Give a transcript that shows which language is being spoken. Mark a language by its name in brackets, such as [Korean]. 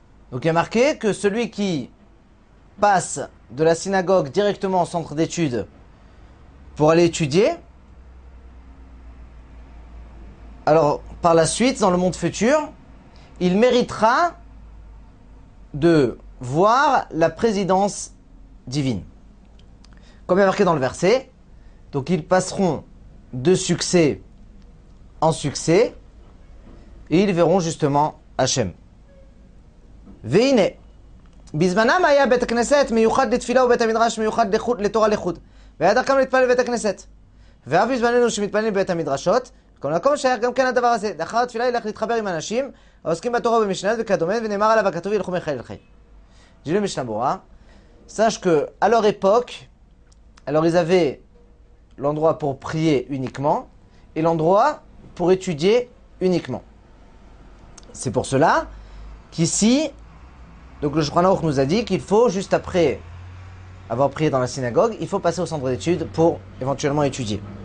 [French] Donc il est marqué que celui qui passe de la synagogue directement au centre d'études pour aller étudier, alors par la suite, dans le monde futur, il méritera de voir la présidence divine. Comme il est marqué dans le verset, donc ils passeront de succès en succès et ils verront justement Hachem. Veine. [Hebrew] בזמנם היה בית הכנסת מיוחד לתפילה ובית המדרש מיוחד לחוד, לתורה לחוד. והיה דרכם להתפלל לבית הכנסת. ואף בזמננו שמתפלל לבית המדרשות, כל מקום שהיה גם כן הדבר הזה. לאחר התפילה ילך להתחבר עם אנשים העוסקים בתורה ובמשניות וכדומה, ונאמר עליו הכתוב ילכו מחיל לחיל. ג'ילי משנה ברורה. סש כו, [French] alors époque, alors ils avaient l'endroit pour prier uniquement, et l'endroit pour étudier uniquement. C'est pour cela qu'ici, donc le Shulchan Aruch nous a dit qu'il faut, juste après avoir prié dans la synagogue, il faut passer au centre d'études pour éventuellement étudier.